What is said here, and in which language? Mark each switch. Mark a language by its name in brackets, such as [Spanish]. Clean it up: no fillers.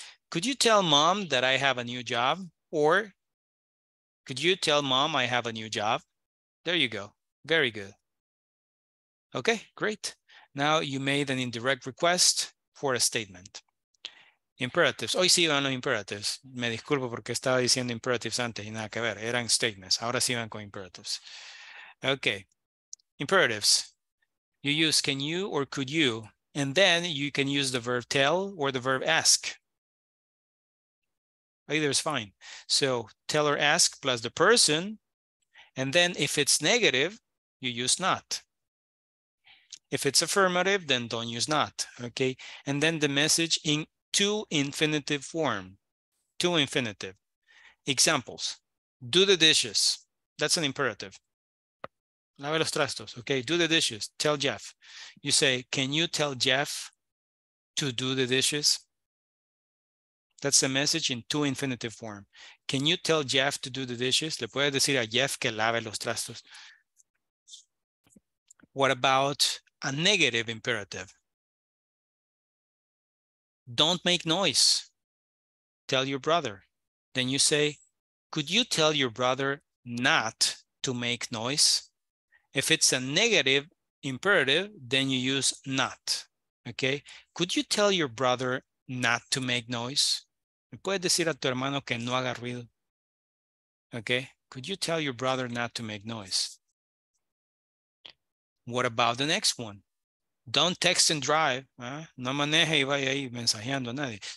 [English] Could you tell mom that I have a new job? Or could you tell mom I have a new job? There you go. Very good. Okay, great. Now you made an indirect request for a statement. [Spanish] Imperatives. Hoy sí iban los imperatives. Me disculpo porque estaba diciendo imperatives antes y nada que ver. Eran statements. Ahora sí iban con imperatives. Okay. Imperatives. [English] You use can you or could you, and then you can use the verb tell or the verb ask. Either is fine. So tell or ask plus the person, and then if it's negative, you use not. If it's affirmative, then don't use not, okay? And then the message in two infinitive form, two infinitive. Examples, do the dishes, that's an imperative. [Spanish] Lave los trastos, [English] okay, do the dishes, tell Jeff. You say, can you tell Jeff to do the dishes? That's the message in two infinitive form. Can you tell Jeff to do the dishes? [Spanish] Le puede decir a Jeff que lave los trastos. [English] What about a negative imperative? Don't make noise, tell your brother. Then you say, could you tell your brother not to make noise? If it's a negative imperative, then you use not, okay? Could you tell your brother not to make noise? [Spanish] ¿Me puedes decir a tu hermano que no haga ruido? [English] Okay, Could you tell your brother not to make noise? What about the next one? Don't text and drive. [Spanish] No maneje y vaya ahí mensajeando a nadie.